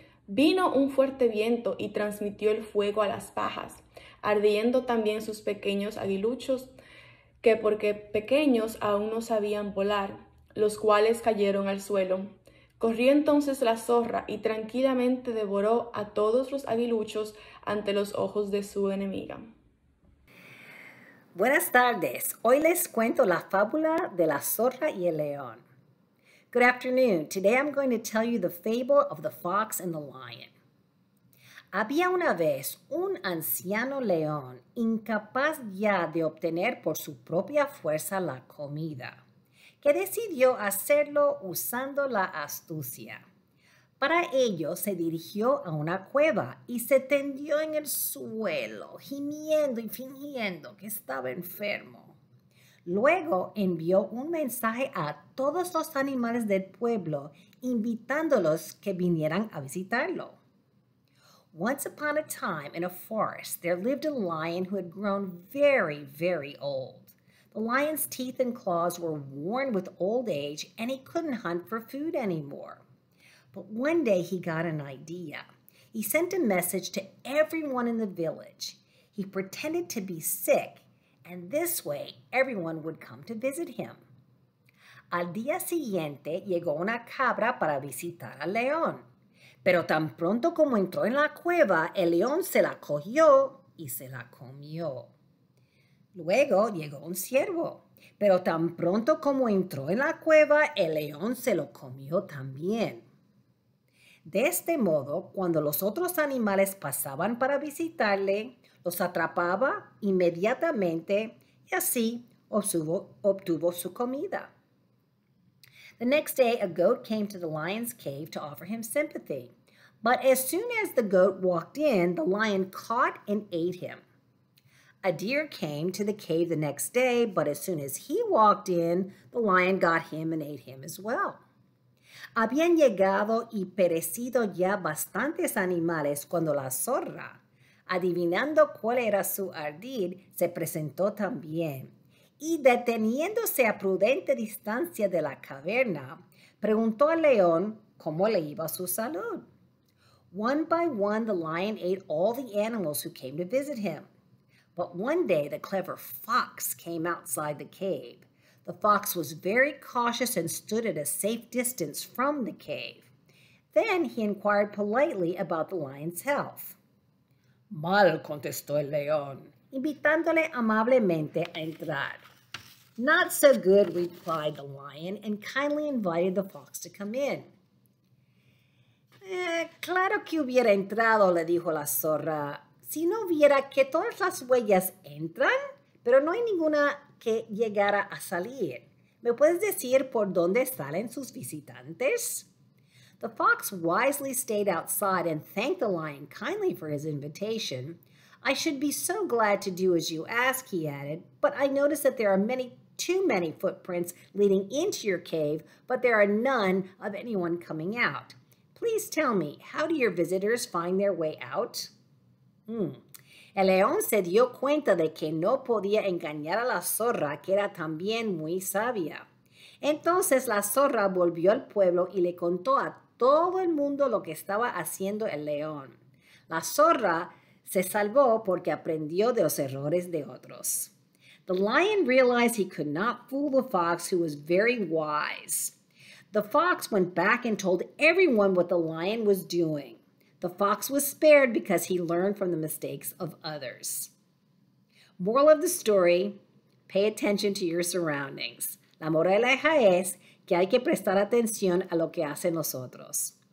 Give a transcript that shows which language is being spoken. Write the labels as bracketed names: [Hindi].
[Spanish] Vino un fuerte viento y transmitió el fuego a las pajas, ardiendo también sus pequeños aguiluchos, que porque pequeños aún no sabían volar, los cuales cayeron al suelo. Corrió entonces la zorra y tranquilamente devoró a todos los aguiluchos ante los ojos de su enemiga. Buenas tardes. Hoy les cuento la fábula de la zorra y el león. [English] Good afternoon. Today I'm going to tell you the fable of the fox and the lion. [Spanish] Había una vez un anciano león incapaz ya de obtener por su propia fuerza la comida, que decidió hacerlo usando la astucia. Para ello se dirigió a una cueva y se tendió en el suelo, gimiendo y fingiendo que estaba enfermo. Luego envió un mensaje a todos los animales del pueblo, invitándolos que vinieran a visitarlo. [English] Once upon a time in a forest, there lived a lion who had grown very, very old. The lion's teeth and claws were worn with old age and he couldn't hunt for food anymore. But one day he got an idea. He sent a message to everyone in the village. He pretended to be sick, and this way everyone would come to visit him. [Spanish] Al día siguiente llegó una cabra para visitar al león. Pero tan pronto como entró en la cueva, el león se la cogió y se la comió. Luego llegó un ciervo. Pero tan pronto como entró en la cueva, el león se lo comió también. De este modo, cuando los otros animales pasaban para visitarle, los atrapaba inmediatamente y así obtuvo su comida. [English] The next day, a goat came to the lion's cave to offer him sympathy. But as soon as the goat walked in, the lion caught and ate him. A deer came to the cave the next day, but as soon as he walked in, the lion got him and ate him as well. [Spanish] Habían llegado y perecido ya bastantes animales cuando la zorra, adivinando cuál era su ardid, se presentó también. Y deteniéndose a prudente distancia de la caverna, preguntó al león cómo le iba su salud. [English] One by one, the lion ate all the animals who came to visit him. But one day, the clever fox came outside the cave. The fox was very cautious and stood at a safe distance from the cave. Then he inquired politely about the lion's health. [Spanish] Mal, contestó el león, invitándole amablemente a entrar. [English] Not so good, replied the lion, and kindly invited the fox to come in. [Spanish] Claro que hubiera entrado, le dijo la zorra, si no viera que todas las huellas entran, pero no hay ninguna que llegara a salir. ¿Me puedes decir por dónde salen sus visitantes? [English] The fox wisely stayed outside and thanked the lion kindly for his invitation. I should be so glad to do as you ask, he added, but I notice that there are too many footprints leading into your cave, but there are none of anyone coming out. Please tell me, how do your visitors find their way out? [Spanish] El león se dio cuenta de que no podía engañar a la zorra, que era también muy sabia. Entonces la zorra volvió al pueblo y le contó a todo el mundo lo que estaba haciendo el león. La zorra se salvó porque aprendió de los errores de otros. [English] The lion realized he could not fool the fox, who was very wise. The fox went back and told everyone what the lion was doing. The fox was spared because he learned from the mistakes of others. Moral of the story, pay attention to your surroundings. [Spanish] La moraleja es que hay que prestar atención a lo que hacen los otros.